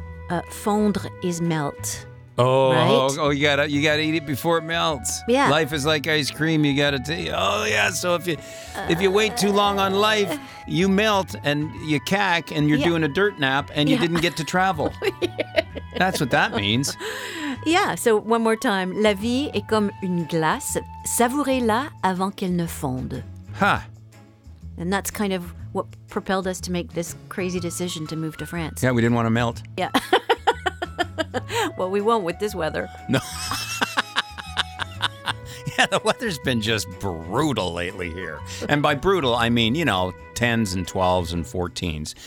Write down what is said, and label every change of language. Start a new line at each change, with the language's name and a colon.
English: Fondre is melt. Oh, right? you gotta eat it before it melts. Yeah. Life is like ice cream. You gotta So if you wait too long on life, you melt and you cack and you're doing a dirt nap and you didn't get to travel. That's what that means. Yeah. So one more time.
French: La vie est comme une glace. Savourez-la avant qu'elle ne fonde. Huh.
English: And that's kind of what propelled us to make this crazy decision to move to France. Yeah, we didn't want to melt. Yeah. Well, we won't with this weather. No. Yeah, the weather's been just brutal lately here. And by brutal, I mean, 10s and 12s and 14s.